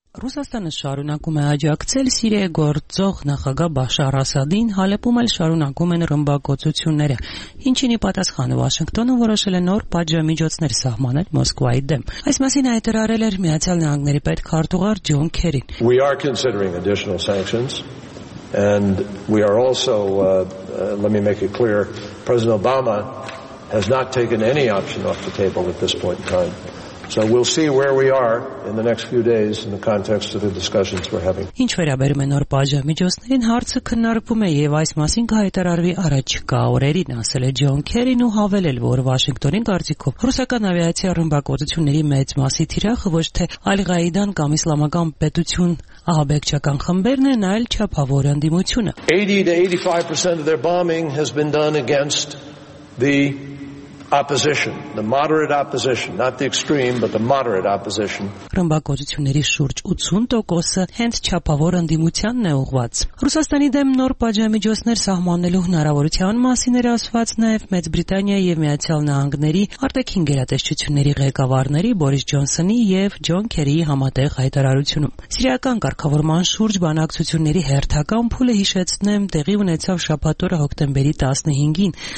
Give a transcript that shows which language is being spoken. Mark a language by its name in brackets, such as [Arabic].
[Armenian] Ռուսաստանը շարունակում է աջակցել Սիրիայի գործող նախագահ Բաշար Ասադին, Հալեպում էլ շարունակում են ռմբակոծությունները, ինչինի պատասխան Վաշինգտոնը որոշել է նոր պատժամիջոցներ սահմանել Մոսկվայի դեմ։ Այս մասին հայտարարել էր Միացյալ Նահանգների պետքարտուղար Ջոն Քերին. [English] We are considering additional sanctions and we are also let me make it clear, President Obama has not taken any option off the table at this point in time. So we'll see where we are in the next few days in the context of the discussions we're having. [Armenian] Ինչ վերաբերում է նոր պատժամիջոցներին, հարցը քննարկվում է եւ այս մասին կհայտարարվի առաջիկա օրերին, ասել է Ջոն Քերին ու հավելել, որ Վաշինգտոնին կարծիքով ռուսական ավիացիա ռմբակոծությունների մեծ մասի թիրախը ոչ թե Ալ-Ղաիդան կամ իսլամական պետություն ահաբեկչական խմբերն են, այլ չափավոր անդիմությունը. [English] 80-85% of their bombing has been done against the opposition, the moderate opposition, not the extreme, but the moderate opposition. [Armenian] Ռմբակոծությունների շուրջ 80%-ը հենց չափավոր անդիմությանն է ուղված։ Ռուսաստանի դեմ նոր պատժամիջոցներ սահմանելու հնարավորության մասին էր ասված նաև Մեծ Բրիտանիայի և Միացյալ Նահանգների արտաքին գերատեսչությունների ղեկավարների Բորիս Ջոնսոնի և Ջոն Քերիի համատեղ հայտարարությունում։ Սիրիական կարգավորման շուրջ բանակցությունների հերթական փուլը հիշեցնեմ, տեղի ունեցավ շաբաթօրը հոկտեմբերի 15-ին